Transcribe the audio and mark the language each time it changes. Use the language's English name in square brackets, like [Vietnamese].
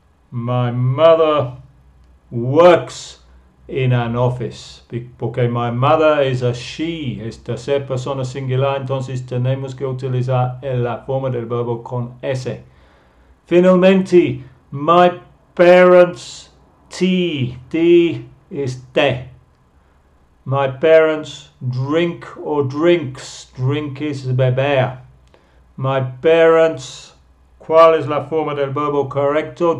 [English] My mother works in an office. [Spanish] Porque [English] my mother is a she. [Spanish] Es tercera persona singular. Entonces tenemos que utilizar la forma del verbo con S. Finalmente, [English] my parents tea. Tea is té. My parents drink or drinks. Drink is beber. My parents, [Spanish] ¿cuál es la forma del verbo correcto?